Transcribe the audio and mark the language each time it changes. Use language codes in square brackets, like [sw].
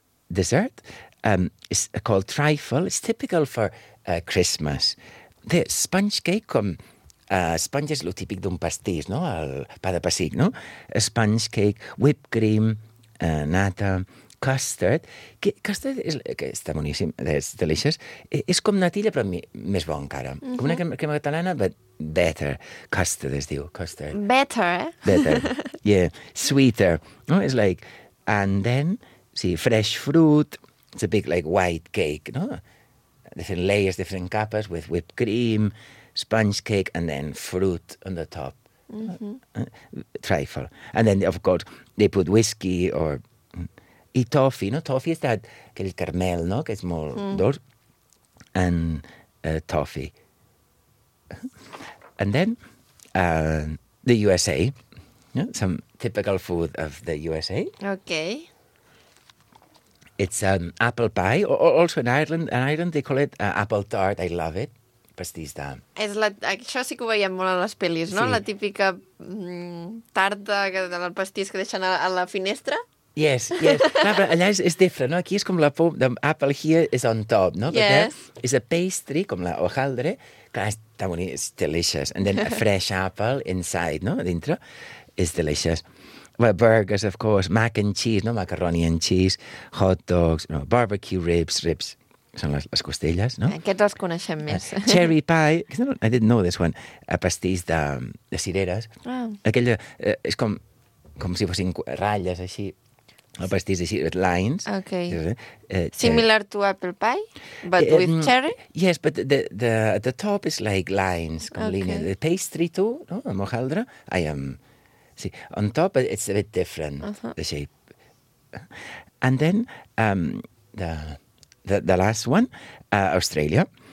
[en] dessert is called trifle. It's typical for Christmas. The sponge cake, [ca] com sponge és lo típic d'un pastís, no? El pa de pessic, no? [en] A sponge cake, whipped cream, [ca] nata... Custard. Custard és... Que està boníssim. [en] It's delicious. [ca] És com natilla, però més bo encara. Mm-hmm. Com una crema catalana, [en] but better. [ca] Custard es diu. Custard. [en] Better, Better. Yeah. Sweeter. No? It's like... And then, [ca] sí, [en] fresh fruit. It's a big, like, white cake, no? Different layers, different capas, with whipped cream, sponge cake, and then fruit on the top. Mm-hmm. Trifle. And then, of course, they put whiskey or... [ca] I toffee, no? Toffee és aquell caramel, no? Que és molt dolç. [en] And toffee. And then, the USA. No? Some typical food of the USA. Okay. It's apple pie. Also in Ireland they call it apple tart. I love it. [ca] Pastís de... És això sí que ho veiem molt a les pel·lis, no? Sí. La típica tarta del pastís que deixen a la finestra. Yes, yes. No, però allà és different, no? Aquí és com la pom d'apple [en] here is on top, [ca] no? [en] Yes. It's a pastry, [ca] com la hojaldre. Clar, està bonic, [en] it's delicious. And then a fresh apple inside, no? Dintre. It's delicious. Well, burgers, of course, mac and cheese, no macaroni and cheese, hot dogs, no, barbecue ribs, ribs. [ca] Són les costelles, no? Aquests els coneixem més. [en] Cherry pie. I didn't know this one. [ca] A pastís de cireres. [en] Ah. [ca] Aquella, és com si fossin ratlles, així. El pastís així, lines. [en] Okay. Similar to apple pie, but with cherry? Yes, but the top is like lines. [ca] Com okay. Línia. [en] The pastry, too, no? [ca] A mojaldre. I am... Sí. [en] On top, it's a bit different, uh-huh. The shape. And then, the last one, Australia.